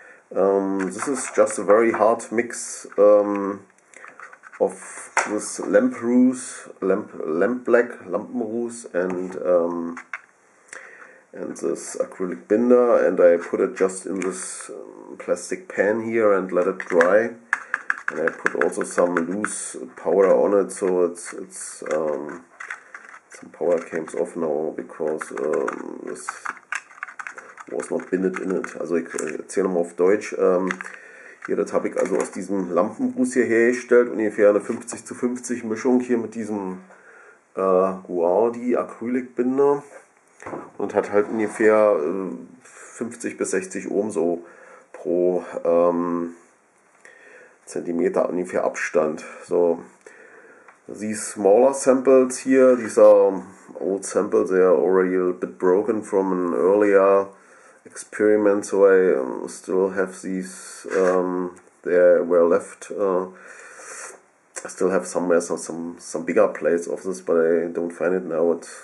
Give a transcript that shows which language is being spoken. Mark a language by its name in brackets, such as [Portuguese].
[English] This is just a very hard mix of this lampblack and this acrylic binder, and I put it just in this plastic pan here and let it dry, and I put also some loose powder on it, so it's some powder came off now because this was not binded in it. [German] Also ich erzähle mal auf Deutsch. Hier, das habe ich also aus diesem Lampenbruß hier hergestellt, ungefähr eine 50-50 Mischung hier mit diesem Guardi Acrylic Binder. Und hat halt ungefähr 50 bis 60 Ohm so pro Zentimeter ungefähr Abstand. [English] So, these smaller samples here, these are old samples, they are already a bit broken from an earlier experiment, so I still have these, there were left. I still have somewhere some bigger plates of this, but I don't find it now.